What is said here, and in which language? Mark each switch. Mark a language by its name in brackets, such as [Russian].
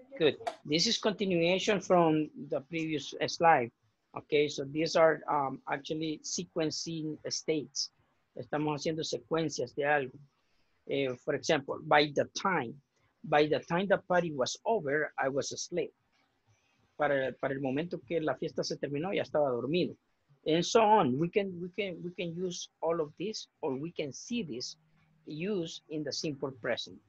[English] Good. This is continuation from the previous slide. Okay, so these are actually sequencing states. [Spanish] Estamos haciendo secuencias de algo. [English] For example, by the time the party was over, I was asleep. [Spanish] Para el momento que la fiesta se terminó, ya estaba dormido. [English] And so on. We can use all of this, or we can see this used in the simple present.